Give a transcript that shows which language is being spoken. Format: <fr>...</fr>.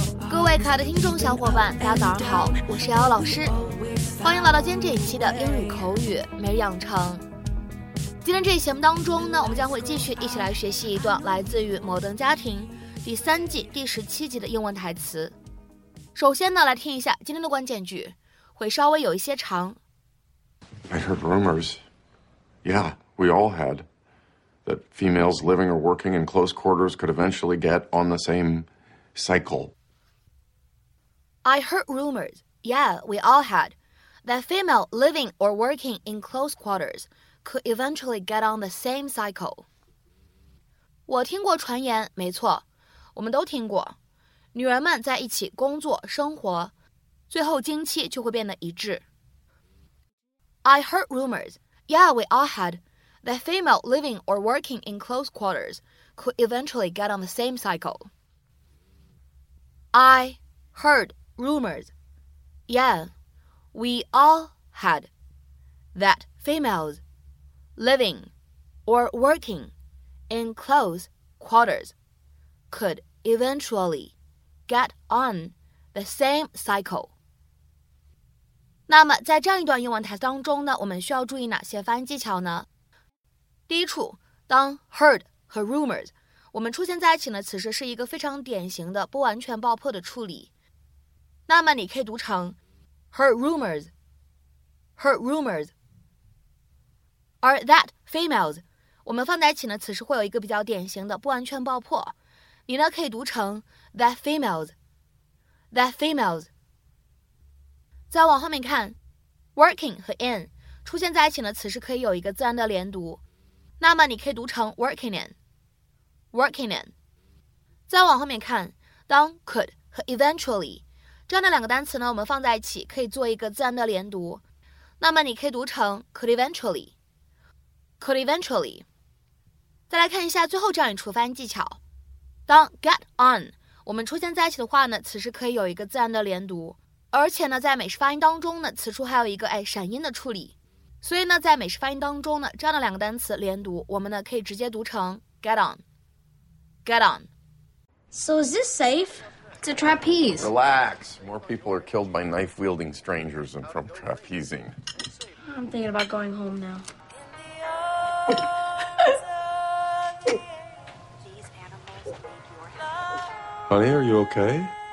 <zh>各位可爱的听众小伙伴，大家早上好，我是瑶瑶老师，欢迎来到今天这一期的英语口语每日养成。今天这一节目当中呢，我们将会继续一起来学习一段来自于《摩登家庭》第三季第十七集的英文台词。首先呢，来听一下今天的关键句，会稍微有一些长。</zh> <en>I heard rumors. Yeah, we all had that females living or working in close quarters could eventually get on the same cycle. I heard rumors. Yeah, we all had that female living or working in close quarters. Could eventually get on the same cycle.</en> <zh>我听过传言，没错，我们都听过，女人们在一起工作生活，最后经期就会变得一致。</zh> <en>I heard rumors. Yeah, we all had that female living or working in close quarters could eventually get on the same cycle. I heard rumors. Yeah, we all had that females. Living or working in close quarters could eventually get on the same cycle.</en> <zh>那么在这样一段英文台词当中呢，我们需要注意哪些发音技巧呢？第一处，当 heard 和 rumors 我们出现在一起呢，此时是一个非常典型的不完全爆破的处理。那么你可以读成</zh> <en>heard rumors, heard rumors.</en> <zh>而 that females 我们放在一起呢，此时会有一个比较典型的不完全爆破，你呢可以读成</zh> <en>that females, that females。</en> <zh>再往后面看， working 和 in 出现在一起呢，此时可以有一个自然的连读，那么你可以读成</zh> <en>working in, working in。</en> <zh>再往后面看，当 could 和 eventually 这样的两个单词呢，我们放在一起可以做一个自然的连读，那么你可以读成</zh> <en>could eventuallyCould eventually.</en> <zh>再来看一下最后这样一处发音技巧，当 get on 我们出现在一起的话呢，此时可以有一个自然的连读，而且呢在美式发音当中呢，此处还有一个闪音的处理，所以呢在美式发音当中呢，这样的两个单词连读，我们呢可以直接读成</zh> <en>get on, get on. So is this safe? It's a trapeze. Relax. More people are killed by knife wielding strangers than from trapezing. I'm thinking about going home now. Honey, are you okay?</en>